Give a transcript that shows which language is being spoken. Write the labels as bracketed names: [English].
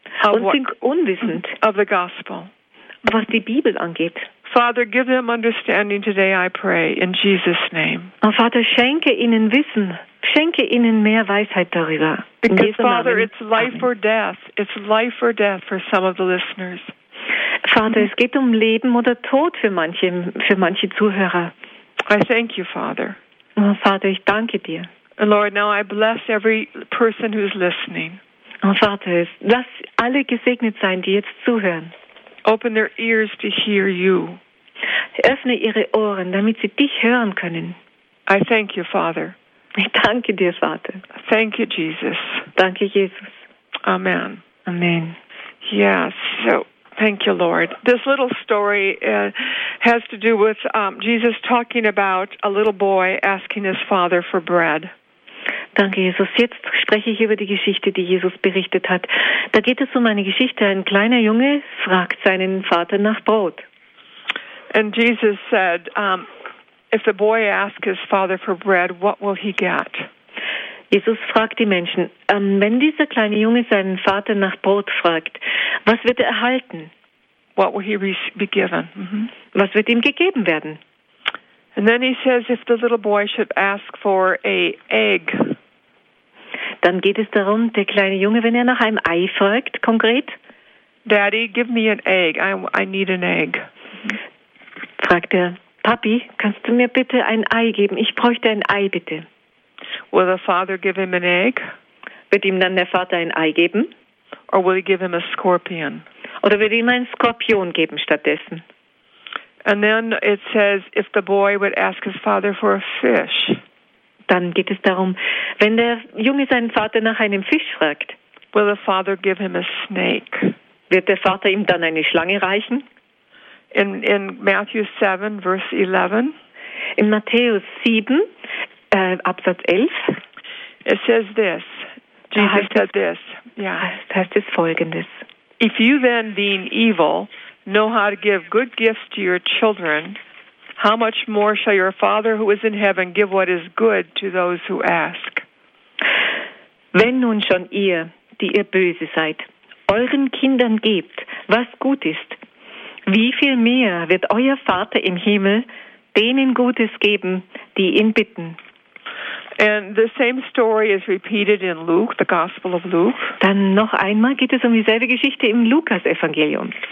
[German] und sind unwissend [English] of the gospel. [German] Was die Bibel angeht. [English] Father, give them understanding today, I pray, in Jesus' name. [German] Oh, Vater, schenke ihnen Wissen, schenke ihnen mehr Weisheit darüber. [English] Because, Father, it's life or death. It's life or death for some of the listeners. [German] Vater, es geht um Leben oder Tod für manche Zuhörer. [English] I thank you, Father. [German] Oh, Vater, ich danke dir. [English] And Lord, now I bless every person who's listening. [German] Oh, Vater, lass alle gesegnet sein, die jetzt zuhören. [English] Open their ears to hear you. [German] Öffne ihre Ohren, damit sie dich hören können. [English] I thank you, Father. [German] Ich danke dir, Vater. [English] Thank you, Jesus. [German] Danke, Jesus. [English] Amen. [German] Amen. [English] Yeah, so thank you, Lord. This little story has to do with Jesus talking about a little boy asking his father for bread. [German] Danke, Jesus. Jetzt spreche ich über die Geschichte, die Jesus berichtet hat. Da geht es um eine Geschichte. Ein kleiner Junge fragt seinen Vater nach Brot. [English] And Jesus said, if the boy asks his father for bread, what will he get? [German] Jesus fragt die Menschen, wenn dieser kleine Junge seinen Vater nach Brot fragt, was wird er erhalten? [English] What will he be given? [German] Mm-hmm. Was wird ihm gegeben werden? [English] And then he says, if the little boy should ask for a egg. [German] Dann geht es darum, der kleine Junge, wenn er nach einem Ei fragt, konkret. [English] Daddy, give me an egg. I need an egg. [German] Fragt er, Papi, kannst du mir bitte ein Ei geben? Ich bräuchte ein Ei, bitte. [English] Will the father give him an egg? [German] Wird ihm dann der Vater ein Ei geben? [English] Or will he give him a scorpion? [German] Oder wird ihm ein Skorpion geben stattdessen? [English] And then it says, if the boy would ask his father for a fish. [German] Dann geht es darum, wenn der Junge seinen Vater nach einem Fisch fragt. [English] Will the father give him a snake? [German] Wird der Vater ihm dann eine Schlange reichen? [English] In Matthew 7, verse 11. [German] In Matthäus 7, Absatz 11. [English] It says this. Jesus said this. Yeah. [German] Das heißt es folgendes. [English] If you then, being evil, know how to give good gifts to your children, how much more shall your Father who is in heaven give what is good to those who ask? [German] Wenn nun schon ihr, die ihr böse seid, euren Kindern gebt, was gut ist, wie viel mehr wird euer Vater im Himmel denen Gutes geben, die ihn bitten? [English] And the same story is repeated in Luke, the Gospel of Luke. [German] Dann noch einmal geht es um dieselbe Geschichte im Lukas-Evangelium.